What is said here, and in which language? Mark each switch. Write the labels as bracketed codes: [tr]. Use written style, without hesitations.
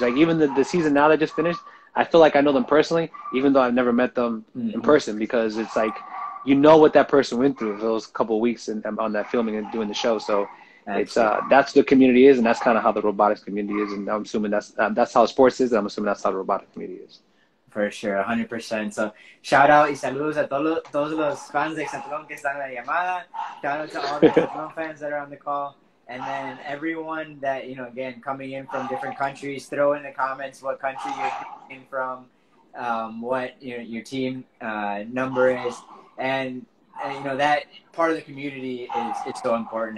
[en] Like, even the season now that just finished, I feel like I know them personally, even though I've never met them in person, because it's like, you know what that person went through those couple of weeks and on that filming and doing the show. So That's the community is, and that's kind of how the robotics community is, and I'm assuming that's how sports is, and I'm assuming that's how the robotic community is. For sure, 100%. So shout out [es] y saludos a todos los fans de Exatlón que están en la llamada. [en] Shout out to all the Exatlón fans that are on the call. And then everyone that, you know, again, coming in from different countries, throw in the comments what country you're in from, what, you know, your team number is. And, you know, that part of the community is so important.